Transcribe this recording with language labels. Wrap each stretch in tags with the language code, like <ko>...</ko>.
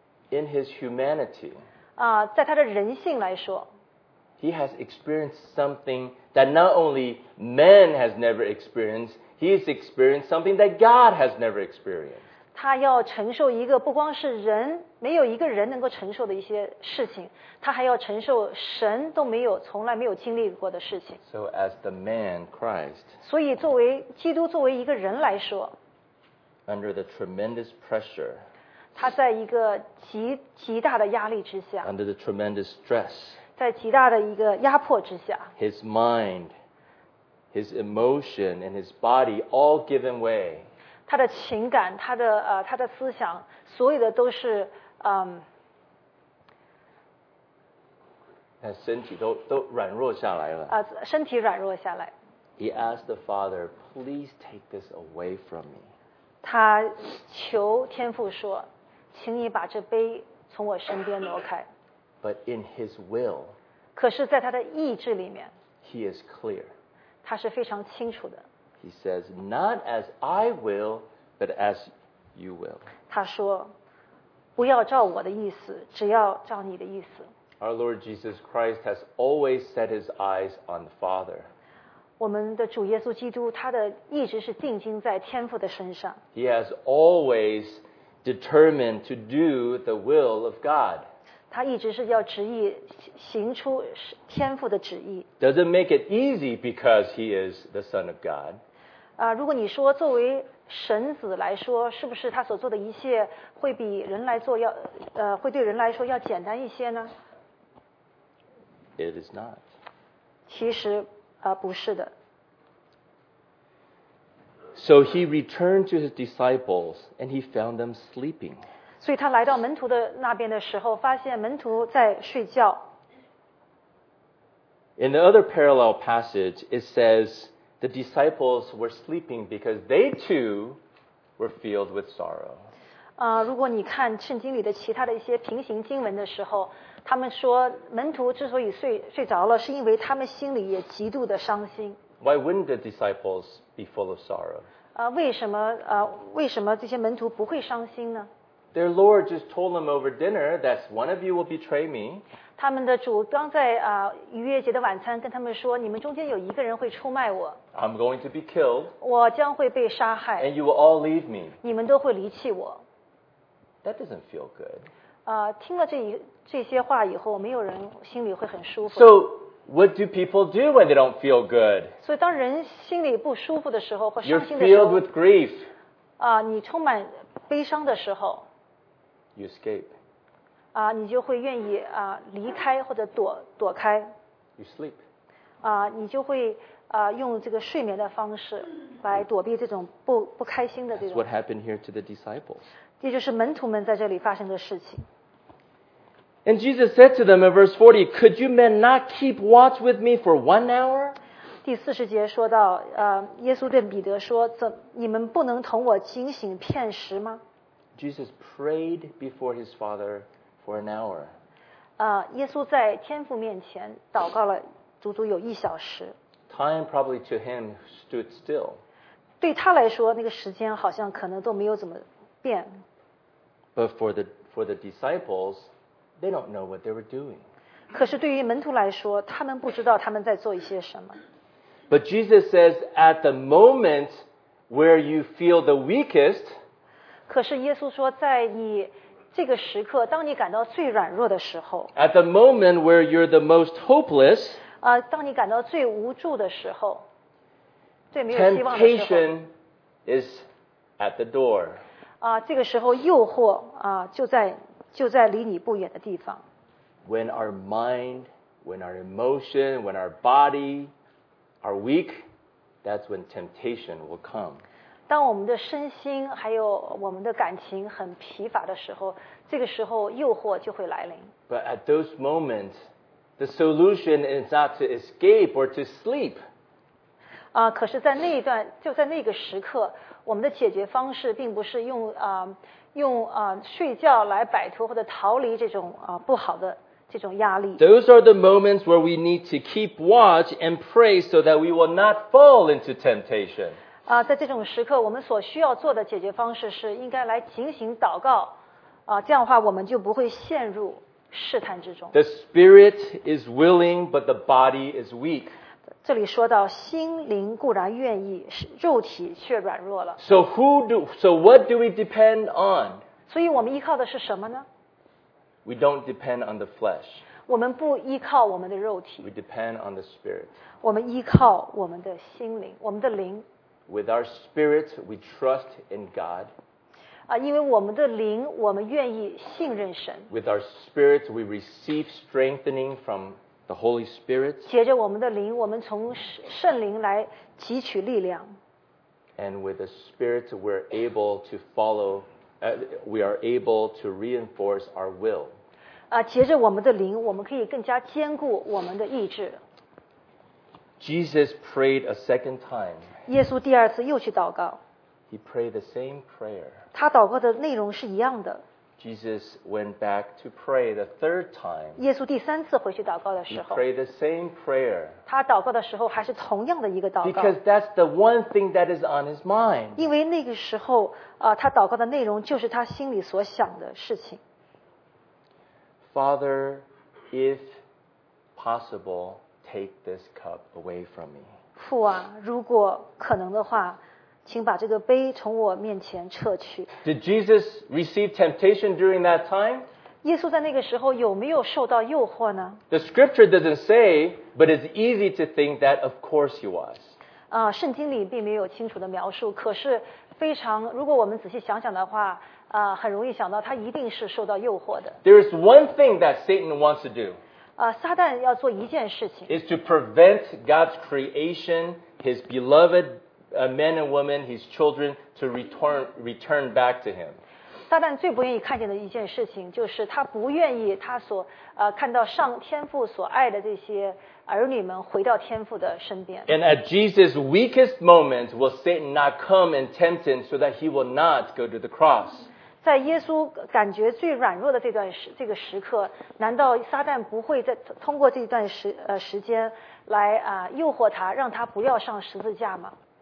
<en>In his humanity.</en> <zh>在他的人性来说。</zh> <en>He has experienced something that not only man has never experienced, he has experienced something that God has never experienced.</en> <zh>他要承受一个不光是人，没有一个人能够承受的一些事情，他还要承受神都没有，从来没有经历过的事情。</zh> <en>So as the man, Christ.</en> <zh>所以作为基督，作为一个人来说。</zh> <en>Under the tremendous pressure.</en> <zh>他在一个 极大的压力之下。</zh> <en>Under the tremendous stress.</en> <zh>在极大的一个压迫之下。</zh> <en>His mind, his emotion, and his body all given way.</en> <zh>他的情感，他的他的思想，所有的都是他身体都软弱下来了。身体软弱下来。</zh> <en>He asked the Father, please take this away from me.</en> <zh>他求天父说，请你把这杯从我身边挪开。</zh> <en>But in his will,</en> <zh>可是在他的意志里面,</zh> <en>he is clear.</en> <zh>他是非常清楚的。</zh> <en>He says, not as I will, but as you will.</en> <zh>他说，不要照我的意思，只要照你的意思。</zh> <en>Our Lord Jesus Christ has always set his eyes on the Father.</en> <zh>我们的主耶稣基督，他的意志是定睛在天父的身上。</zh> <en>He has always determined to do the will of God.</en> <zh>他一直是要执意行出天父的旨意。</zh> <en>Doesn't make it easy because he is the Son of God.</en> <zh>如果你说作为神子来说，是不是他所做的一切会比人来做要会对人来说要简单一些呢？</zh> <en>It is not.</en> <zh>其实不是的。</zh> <en>So he returned to his disciples, and he found them sleeping.</en> <zh>所以他来到门徒的那边的时候，发现门徒在睡觉。</zh> <en>In the other parallel passage, it says the disciples were sleeping because they too were filled with sorrow.</en> <zh>如果你看圣经里的其他的一些平行经文的时候，他们说门徒之所以睡着了，是因为他们心里也极度的伤心。</zh> <en>Why wouldn't the disciples be full of sorrow?</en> <zh>为什么这些门徒不会伤心呢？</zh> <en>Their Lord just told them over dinner that one of you will betray me.</en> <zh>他们的主刚在逾越节的晚餐跟他们说，你们中间有一个人会出卖我。</zh> <en>I'm going to be killed.</en> <zh>我将会被杀害。</zh> <en>And you will all leave me.</en> <zh>你们都会离弃我。</zh> <en>That doesn't feel good.</en> <zh>听了这些话以后，没有人心里会很舒服。</zh> <en>So,What do people do when they don't feel good?</en> <zh>所以当人心里不舒服的时候或伤心的时候</zh> <en>You're filled with grief.</en> <zh>你充满悲伤的时候</zh> <en>You escape.</en> <zh>你就会愿意离开或者躲开</zh> <en>You sleep.</en> <zh>你就会用这个睡眠的方式来躲避这种不开心的这种</zh> <en>That's what happened here to the disciples.</en> <zh>也就是门徒们在这里发生的事情。</zh> <en>And Jesus said to them in verse 40, Could you men not keep watch with me for 1 hour?</en> <zh>第四十节说到，耶稣对彼得说，你们不能同我警醒片时吗？</zh> <en>Jesus prayed before his father for 1 hour.</en> <zh>耶稣在天父面前祷告了足足有一小时。</zh> <en>Time probably to him stood still.</en> <zh>对他来说，那个时间好像可能都没有怎么变。</zh> <en>But for the disciples,They don't know what they were doing.</en> <zh>可是对于门徒来说，他们不知道他们在做一些什么。</zh> <en>But Jesus says, at the moment where you feel the weakest,</en> <zh>可是耶稣说，在你这个时刻，当你感到最软弱的时候，</zh> <en>at the moment where you're the most hopeless,</en> <zh>当你感到最无助的时候，最没有希望的时候，</zh> <en>temptation is at the door.</en> <zh>这个时候诱惑就在离你不远的地方。</zh> <en>When our mind, when our emotion, when our body are weak, that's when temptation will come.</en> <zh>当我们的身心还有我们的感情很疲乏的时候，这个时候诱惑就会来临。</zh> <en>But at those moments, the solution is not to escape or to sleep.</en> <zh>啊，可是，在那一段，就在那个时刻，我们的解决方式并不是用啊、用啊、睡觉来摆脱或者逃离这种啊、不好的这种压力。</zh> <en>Those are the moments where we need to keep watch and pray so that we will not fall into temptation.</en> <zh>啊、在这种时刻，我们所需要做的解决方式是应该来警醒祷告。啊、这样的话我们就不会陷入试探之中。</zh> <en>The spirit is willing, but the body is weak.</en> <zh>这里说到心灵固然愿意，肉体却软弱了。</zh> <en>So what do we depend on?</en> <zh>所以我们依靠的是什么呢？</zh> <en>We don't depend on the flesh.</en> <zh>我们不依靠我们的肉体。</zh> <en>We depend on the spirit.</en> <zh>我们依靠我们的心灵，我们的灵。</zh> <en>With our spirit, we trust in God.</en> <zh>啊、因为我们的灵，我们愿意信任神。</zh> <en>With our spirit, we receive strengthening from the Holy Spirit.</en> <zh>接着我们的灵，我们从圣灵来汲取力量。</zh> <en>And with the spirit, we're able to follow,、we are able to reinforce our will.</en> <zh>啊、接着我们的灵，我们可以更加坚固我们的意志。</zh> <en>Jesus prayed a second time.</en> <zh>耶稣第二次又去祷告。</zh> <en>He prayed the same prayer.</en> <zh>他祷告的内容是一样的。</zh> <en>Jesus went back to pray the third time.</en> <zh>耶稣第三次回去祷告的时候。</zh> <en>He prayed the same prayer.</en> <zh>他祷告的时候还是同样的一个祷告。</zh> <en>Because that's the one thing that is on his mind.</en> <zh>因为那个时候、他祷告的内容就是他心里所想的事情。</zh> <en>Father, if possible, take this cup away from me.</en> <zh>父啊，如果可能的话，请把这个杯从我面前撤去。</zh> <en>Did Jesus receive temptation during that time?</en> <zh>耶稣在那个时候有没有受到诱惑呢？</zh> <en>The scripture doesn't say, but it's easy to think that of course he was.</en> <zh>啊，圣经里并没有清楚的描述，可是非常，如果我们仔细想想的话，啊，很容易想到他一定是受到诱惑的。</zh> <en>There is one thing that Satan wants to do.</en> <zh>啊，撒旦要做一件事情。</zh> <en>Is to prevent God's creation, his beloved a man and woman, his children, to return back to him.</en> <zh>撒旦最不愿意看见的一件事情，就是他不愿意他所、看到上天父所爱的这些儿女们回到天父的身边。</zh> <en>And at Jesus' weakest moment, will Satan not come and tempt him so that he will not go to the cross?</en> <zh>在耶稣感觉最软弱的这段时这个时刻，难道撒旦不会在通过这段时间来、诱惑他，让他不要上十字架吗？</zh>